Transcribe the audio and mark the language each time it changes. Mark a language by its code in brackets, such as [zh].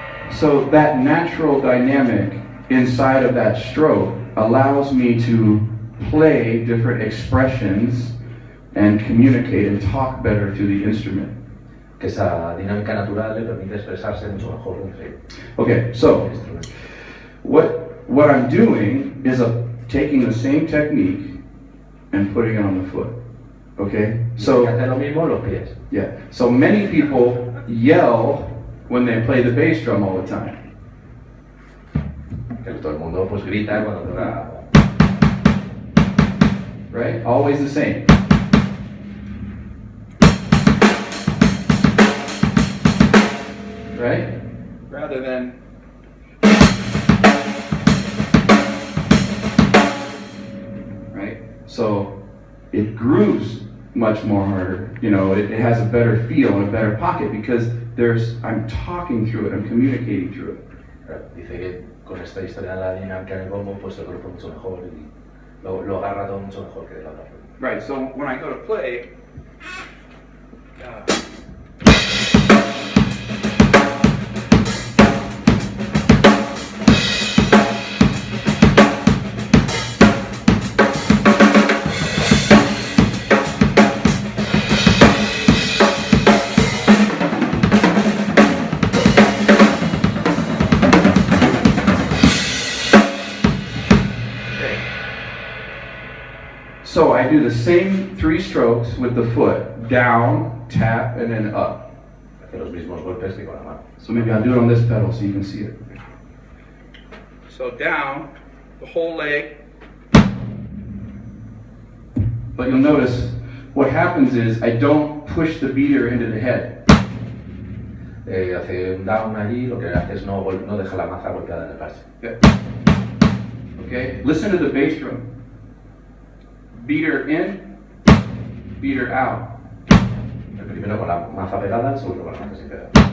[en] So that natural dynamic inside of that stroke allows me to play different expressions and communicate and talk better through the instrument. [es] Que esa dinámica natural le permite expresarse mucho mejor. [en] Okay, so what I'm doing is taking the same technique and putting it on the foot. Okay, so [es] hace lo mismo los pies. [en] Yeah. So many people yell when they play the bass drum all the time. [es] Todo el mundo, pues, grita cuando toca. [en] Right? Always the same. Right? Rather than... Right? So, it grooves much more harder. You know, it has a better feel and a better pocket because I'm talking through it, I'm communicating through it. [es] Dice que con esta historia de la dinámica en el bombo, pues el grupo mucho mejor y lo agarra todo mucho mejor que de la otra. [en] Right, so when I go to play... So I do the same three strokes with the foot, down, tap, and then up. So maybe I'll do it on this pedal so you can see it. So down, the whole leg. But you'll notice what happens is I don't push the beater into the head. [es] Hace un down allí, lo que hace es no deja la maza golpeada en el parche. [en] Okay, listen to the bass drum. Beater in, beater out. [es] El primero con la maza pegada, el segundo con la maza sin pegar.